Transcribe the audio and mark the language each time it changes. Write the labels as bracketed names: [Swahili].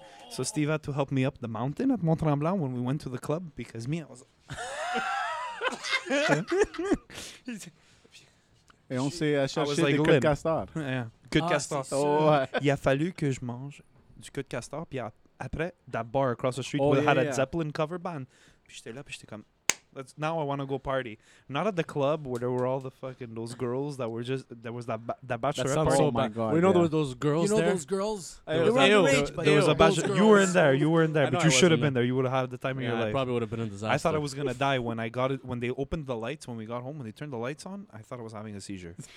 [English] So Steve had to help me up the mountain at Mont-Tremblant when we went to the club because me, I was. [French] Et on s'est cherché des queues de castor. Queues de castor. Il a fallu que je mange du queue de castor. Puis après, [English] that bar across the street had a Zeppelin cover band. [French] Puis j'étais là, puis j'étais comme, [English] now I want to go party. Not at the club where there were all the fucking those girls that were just, there was that bachelorette that party. So oh my God. We know there were those girls there. You know those girls? There was a bachelorette. You were in there. You were in there. But you should have been there. You would have had the time of your life. I probably would have been in disaster. I thought I was going to die when I got it. When they opened the lights, when we got home, when they turned the lights on, I thought I was having a seizure.